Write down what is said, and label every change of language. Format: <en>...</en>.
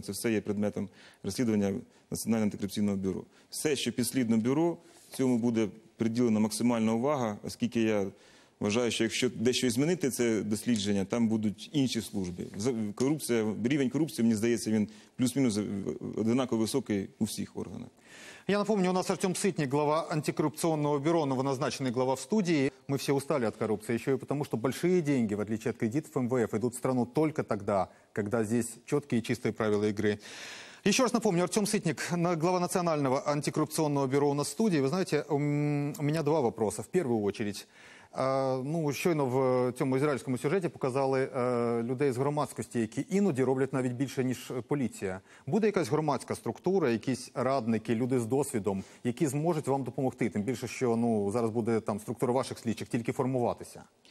<uk>Це все є предметом розслідування Національного антикорупційного бюро. Все, що підслідно бюро, цьому буде приділена максимальна увага, оскільки я вважаю, що якщо дещо змінити це дослідження, там будуть інші служби. Корупція, рівень корупції, мені здається, він плюс-мінус однаково високий у всіх органах.</uk> <ru>Я напомню, у нас Артем Ситник, глава антикоррупционного бюро, новоназначенный глава в студии. Мы все устали от коррупции, еще и потому, что большие деньги, в отличие от кредитов МВФ, идут в страну только тогда, когда здесь четкие и чистые правила игры. Еще раз напомню, Артем Ситник, глава национального антикоррупционного бюро у нас в студии. Вы знаете, у меня два вопроса. В первую очередь, ну,</ru> <uk>щойно в цьому ізраїльському сюжеті показали людей з громадськості, які іноді роблять навіть більше, ніж поліція. Буде якась громадська структура, якісь радники, люди з досвідом, які зможуть вам допомогти? Тим більше, що ну, зараз буде там структура ваших слідчих тільки формуватися.</uk>